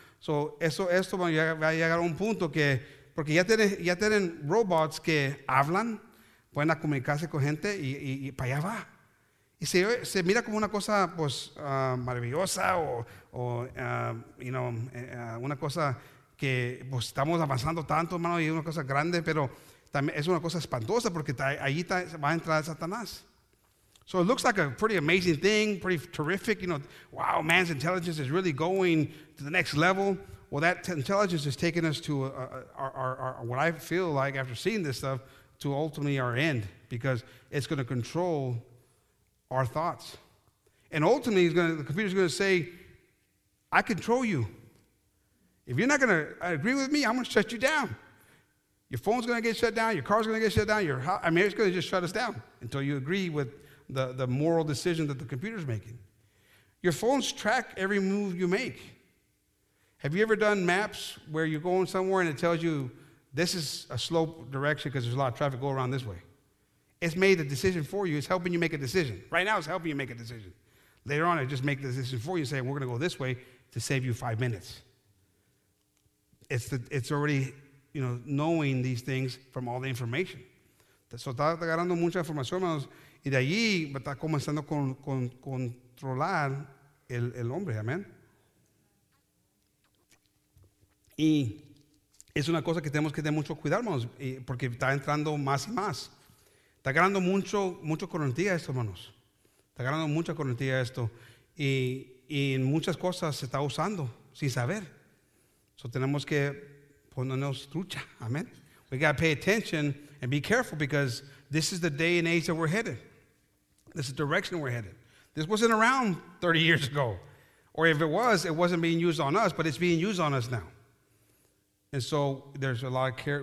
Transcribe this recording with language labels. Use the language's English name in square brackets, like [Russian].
[Spanish] So, esto va a llegar a un punto que, porque ya tienen robots que hablan, pueden comunicarse con gente y para allá va. Y se mira como una cosa pues maravillosa una cosa que pues estamos avanzando tanto, hermano, y es una cosa grande, pero también es una cosa espantosa porque ahí va a entrar Satanás. [English] So it looks like a pretty amazing thing, pretty terrific, you know, wow, man's intelligence is really going to the next level. Well, that intelligence is taking us to what I feel like after seeing this stuff, to ultimately our end, because it's going to control our thoughts. And ultimately, the computer's going to say, I control you. If you're not going to agree with me, I'm going to shut you down. Your phone's going to get shut down. Your car's going to get shut down. It's going to just shut us down until you agree with the moral decision that the computer's making. Your phones track every move you make. Have you ever done maps where you're going somewhere and it tells you, this is a slope direction because there's a lot of traffic going around this way? It's made a decision for you. It's helping you make a decision. Right now, it's helping you make a decision. Later on, it just makes the decision for you and say, we're going to go this way to save you 5 minutes. It's already, you know, knowing these things from all the information. [Spanish] So está agarrando mucha información, hermanos, y de allí está comenzando con controlar el hombre, amén. Y es una cosa que tenemos que tener mucho cuidado, hermanos, porque está entrando más y más. Está ganando mucho corrientía esto, hermanos. Está ganando mucha corrientía esto. Y en muchas cosas se está usando sin saber. So tenemos que ponernos trucha. Amen. [English] We got to pay attention and be careful because this is the day and age that we're headed. This is the direction we're headed. This wasn't around 30 years ago. Or if it was, it wasn't being used on us, but it's being used on us now. And so there's a lot of care.